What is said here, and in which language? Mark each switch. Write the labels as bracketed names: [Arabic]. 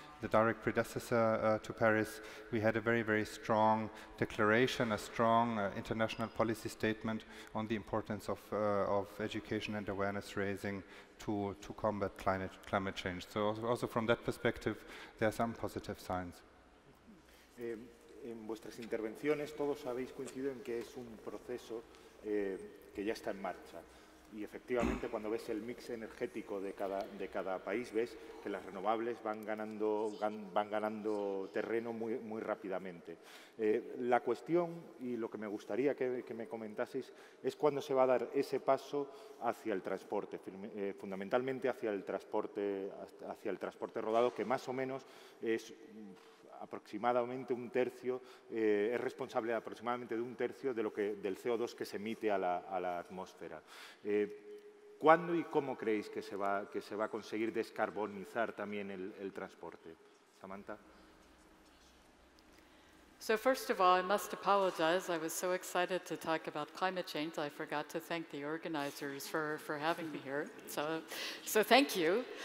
[English] The direct predecessor to Paris, we had a very, very strong declaration, a strong international policy statement on the importance of education and awareness raising to combat climate change. So also from that perspective, there are some positive signs. [Spanish] En vuestras intervenciones, todos habéis coincidido en que es un proceso que ya está en marcha. Y efectivamente, cuando ves el mix energético de cada país, ves que las renovables van ganando terreno muy, muy rápidamente. La cuestión, y lo que me gustaría que me comentaseis, es cuándo se va a dar ese paso hacia el transporte, fundamentalmente hacia el transporte rodado, que más o menos es aproximadamente un tercio, es responsable de aproximadamente de un tercio del CO2 que se emite a la atmósfera. ¿Cuándo y cómo creéis que se va a conseguir descarbonizar también el transporte? Samantha. [English] So first of all, I must apologize. I was so excited to talk about climate change, I forgot to thank the organizers for having me here. So thank you.